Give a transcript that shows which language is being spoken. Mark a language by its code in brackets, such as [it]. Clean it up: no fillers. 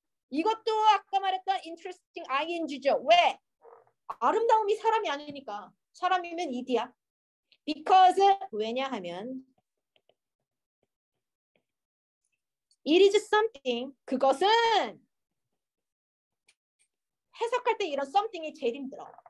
[ko] 이것도 아까 말했던 interesting ing죠. 왜? 아름다움이 사람이 아니니까. 사람이면 it이야. [en] Because, [ko] 왜냐하면 [en] it is something. [ko] 그것은 해석할 때 이런 something이 제일 힘들어.